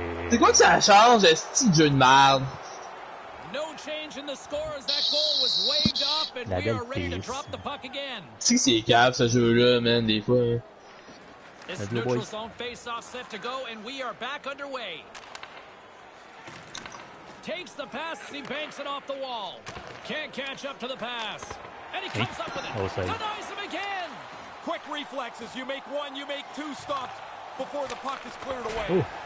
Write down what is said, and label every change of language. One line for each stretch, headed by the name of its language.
French: C'est quoi que ça change, ce petit jeu de merde?
English: No change in the score as that goal was waved off and la we are ready piece to drop the puck again.
French: Si c'est cave ce jeu là, man, des fois.
English: This neutral boys zone face off set to go and we are back underway. takes the pass as he banks it off the wall. Can't catch up to the pass. And he comes up with it. Denies him again. Quick reflexes. You make one, you make two stops before the puck is cleared away.